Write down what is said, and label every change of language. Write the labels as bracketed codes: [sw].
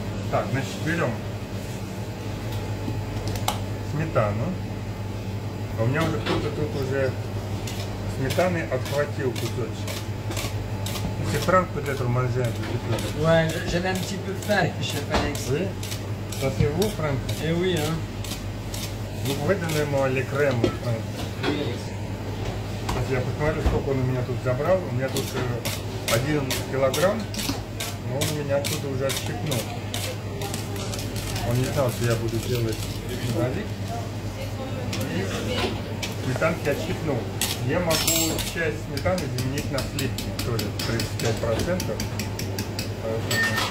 [ru] Так, значит, берем сметану. У меня уже кто-то тут уже сметаны отхватил кусочек. Если франк под эту манжет. [fr] Ouais, j'avais un petit peu faim, cher Alex. Oui. Ça c'est vous, Franck? Eh oui, hein. Vous pouvez donner moi les crèmes, Franck? Oui, Alex. [ru] Я посмотрю, сколько он у меня тут забрал. У меня тут 1 килограмм, но он у меня оттуда уже отщипнул. Он не знал, что я буду делать налик. Сметанки отщипнул. Я могу часть сметаны заменить на сливки, то ли 35%. Поэтому...